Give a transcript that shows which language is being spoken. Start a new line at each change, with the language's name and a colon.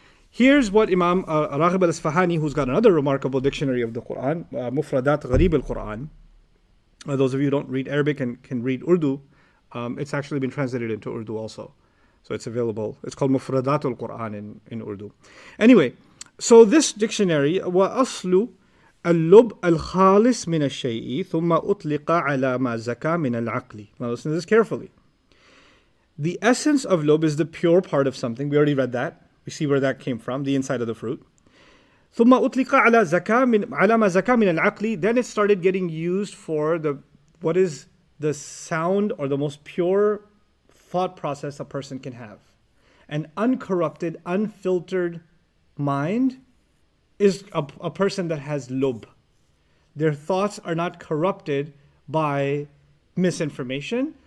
English: Here's what Imam Raghib al-Isfahani, who's got another remarkable dictionary of the Quran, Mufradat Gharib al-Quran. Those of you who don't read Arabic and can read Urdu, it's actually been translated into Urdu also. So it's available. It's called Mufradat al-Quran in Urdu. Anyway, so this dictionary,
Arabic: wa aslu اللب الخالص من الشيء ثم أطلق على ما زكى من العقل.
English: Now listen to this carefully. The essence of lub is the pure part of something. We already read that. We see where that came from, the inside of the fruit.
Arabic: ثم أطلق على زكى من على ما زكى من العقل.
English: Then it started getting used for the what is the sound or the most pure thought process a person can have. An uncorrupted, unfiltered mind is a person that has lub. Their thoughts are not corrupted by misinformation.